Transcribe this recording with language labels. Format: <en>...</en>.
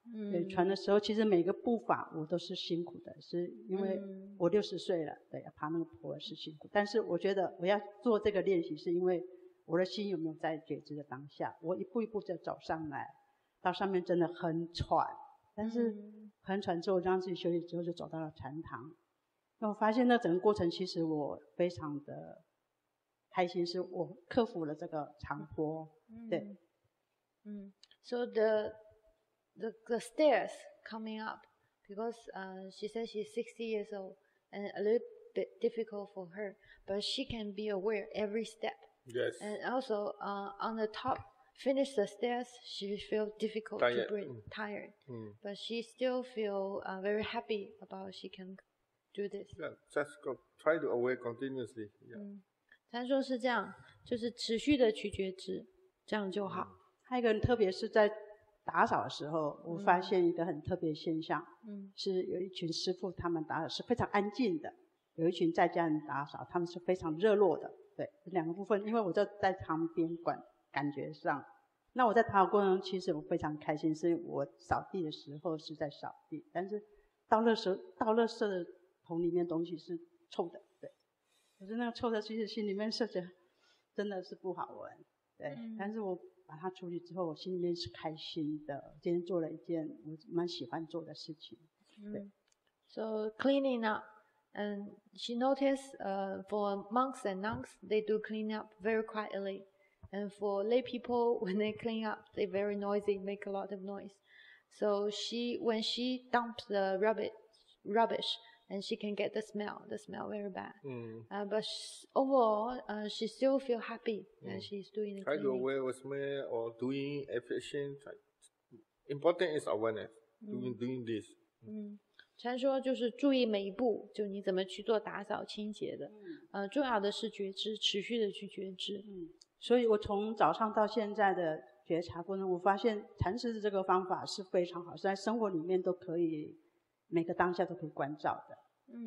<zh>对，喘的时候其实每个步伐我都是辛苦的，是因为我60岁了，对，爬那个坡是辛苦，但是我觉得我要做这个练习是因为我的心有没有在觉知的当下，我一步一步就走上来，到上面真的很喘，但是很喘之后让自己休息之后就走到了禅堂，那我发现那整个过程其实我非常的开心，是我克服了这个长坡。对，</zh> <en>So the stairs coming up because she says she's 60 years old and a little bit difficult for her, but she can be aware every step. Yes. And also on the top finish the stairs, she feels difficult to breathe, tired. But she still feels very happy about she can do this. Yeah, just go, try to aware continuously. Yeah.</en> <zh>禅说是这样，就是持续的去觉知，这样就好。还有一个人特别是在打扫的时候我发现一个很特别的现象，是有一群师父他们打扫是非常安静的，有一群在家人打扫他们是非常热络的。对，两个部分，因为我就在旁边管，感觉上那我在打扫过程中其实我非常开心，是我扫地的时候是在扫地，但是到垃圾，到垃圾的桶里面东西是臭的，对，可是那个臭的其实心里面设置真的是不好闻，对，但是我把它处理之后我心里面是开心的，今天做了一件我蛮喜欢做的事情。</zh> <en>So cleaning up, and she noticed for monks and nuns they do clean up very quietly, and for lay people when they clean up they very noisy, make a lot of noise. So she, when she dumps the rubbish and she can get the smell very bad. But overall, she still feel happy and she's doing it. Try to aware with me or doing efficient. Important is awareness. Doing this.</en> <zh>禅说就是注意每一步，就你怎么去做打扫清洁的。重要的是觉知，持续的去觉知。所以我从早上到现在的觉察过程，我发现禅师的这个方法是非常好，在生活里面都可以，每个当下都可以关照的。</zh>